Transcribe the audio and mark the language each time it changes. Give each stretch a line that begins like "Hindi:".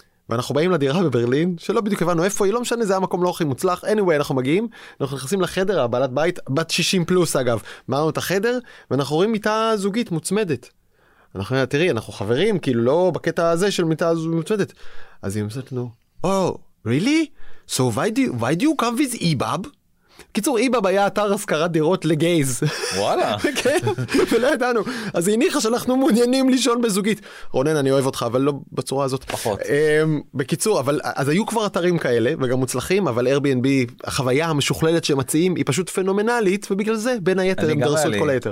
Hebrew: ואנחנו באים לדירה בברלין, שלא בדיוק הבנו איפה היא, לא משנה, זה המקום לא הכי מוצלח, anyway, אנחנו מגיעים, אנחנו נכנסים לחדר, הבעלת בית, בת 60 פלוס אגב, מעלנו את החדר, ואנחנו רואים מיטה זוגית מוצמדת. אנחנו אומרים, תראי, אנחנו חברים, כאילו לא בקטע הזה של מיטה מוצמדת. אז היא אומרת לנו,
English: oh, really? So why do you come with EBAB?
Hebrew: קיצור, איבאב היה אתר השכרת דירות לגייז. וואלה. כן, ולא ידענו. אז היא הניחה שאנחנו מעוניינים לישון בזוגית. רונן, אני אוהב אותך, אבל לא בצורה הזאת. פחות. בקיצור, אבל, אז היו כבר אתרים כאלה, וגם מוצלחים, אבל Airbnb, החוויה המשוכללת שהם מציעים, היא פשוט פנומנלית, ובגלל זה, בין היתר, הם דרסו את כל היתר.